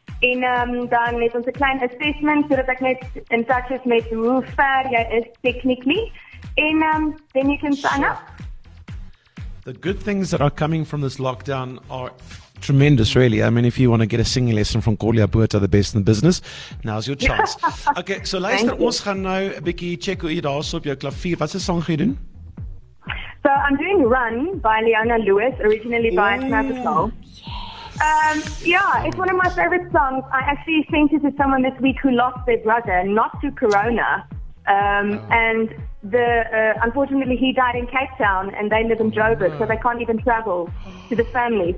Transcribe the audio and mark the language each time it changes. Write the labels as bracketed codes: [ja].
[af] En dan het ons 'n klein assessment, so dat ek net in touch is met hoe ver jy is technically. [en] En then you can sign up. The good things that are coming from this lockdown are tremendous, really. I mean, if you want to get a singing lesson from Corlia Buerta, the best in the business, now's your chance. [af] Okay, so luister, ons gaan nou 'n bietjie check hoe jy daar so op jou klavier. Wat 'n song gaan jy doen? [en] So I'm doing Run by Leona Lewis, originally by Samantha Soul. Yeah, it's one of my favorite songs. I actually sent it to someone this week who lost their brother, not to Corona. And the unfortunately, he died in Cape Town, and they live in Joburg, so they can't even travel to the family.